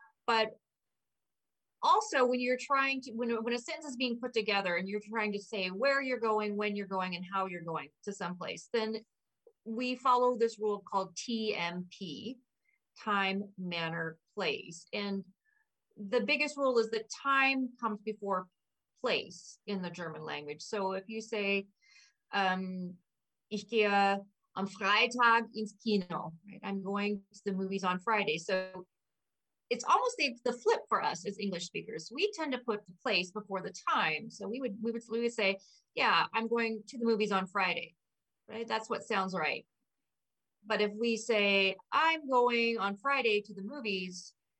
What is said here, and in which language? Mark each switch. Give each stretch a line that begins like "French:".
English: But also when a sentence is being put together and you're trying to say where you're going, when you're going, and how you're going to someplace, then we follow this rule called TMP. Time, manner, place. And the biggest rule is that time comes before place in the German language. So if you say,
German: ich gehe am Freitag ins Kino,
English: right? I'm going to the movies on Friday. So it's almost the flip for us as English speakers. We tend to put the place before the time. So we would say, yeah, I'm going to the movies on Friday, right? That's what sounds right. But if we say, I'm going on Friday to the movies,